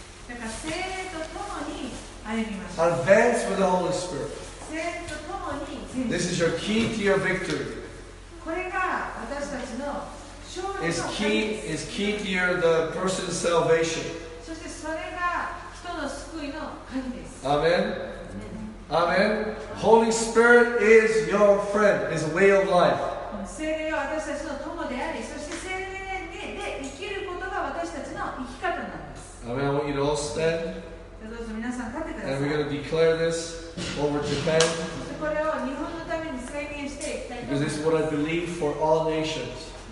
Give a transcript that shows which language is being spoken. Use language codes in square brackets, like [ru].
[ja] だから、聖霊とともに歩みましょう。 [en] Advance with the Holy Spirit. [ja] 聖霊とともに。 [en] This is your key to your victory. [ja] これが私たちの [en] Is key to your the person's salvation. [ja] そしてそれが人の救いの鍵です。 [en] Amen. Amen. Holy Spirit is your friend, is a way of life. [ja] 聖霊は私たちの友であり、そして聖霊で生きることが私たちの生き方なんです。 [en] Amen. I want you to all stand. [ja] どうぞ皆さん立ってください。 [en] And we're going to declare this over Japan. [ja] これを日本のために宣言していきたいと思います。 [en] Because this is what I believe for all nations.